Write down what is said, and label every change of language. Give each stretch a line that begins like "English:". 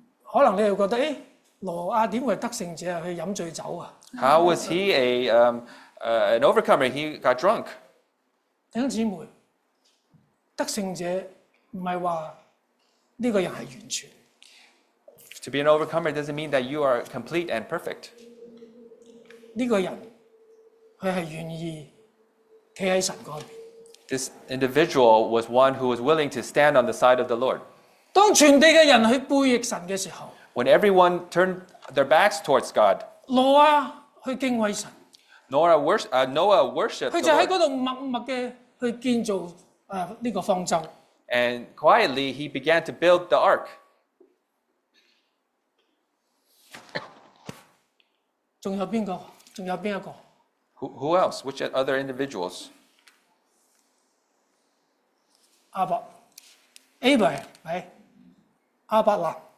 Chinese: 可能你会觉得, 罗亚怎会得胜者? 去喝醉酒啊。
English: How was he an overcomer? He got drunk.
Chinese: 弟兄姊妹, 得胜者不是说, 这个人是完全。
English: To be an overcomer doesn't mean that you are complete and perfect.
Chinese: 这个人, 他是愿意站在神那边。
English: This individual was one who was willing to stand on the side of the Lord.
Chinese: 当全地的人去背逆神的时候,
English: when everyone turned their backs towards God,
Chinese: 罗亚去敬畏神,
English: Noah worshiped the Lord.
Chinese: 他就在那里默默地去建造这个方舟。
English: And quietly, he began to build the ark.
Chinese: 还有谁?还有谁?
English: Who else? Which other individuals? Abraham, right? Abraham.